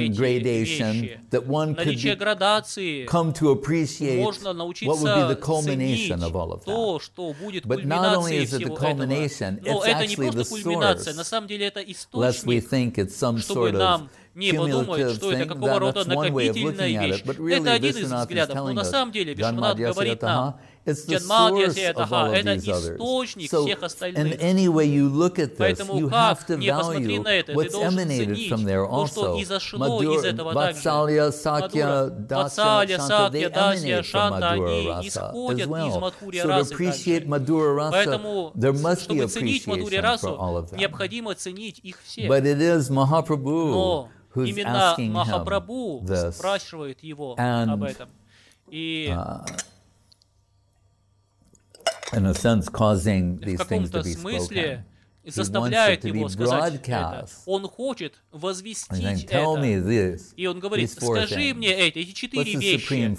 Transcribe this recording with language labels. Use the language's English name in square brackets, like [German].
[Russian] эти вещи, наличие градации, можно научиться ценить то, что будет кульминацией всего этого. Но это не просто кульминация, на самом деле это источник, чтобы нам не подумать, что это какого рода накопительная вещь. Это один из взглядов, но на самом деле Вишванат говорит нам, [English] it's the source of all of these others. So, in any way you look at this, you have to value what's emanated from there also. Madhura, Vatsalya, Sakya, Dasya, Shanta, they emanate from Madhura Rasa as well. So to appreciate Madhura Rasa, there must be appreciation for all of them. But it is Mahaprabhu who's asking him this. And in a sense, causing these things to be spoken. [Russian] Заставляет его сказать это. Он хочет возвестить это. И он говорит, скажи мне это, эти четыре вещи.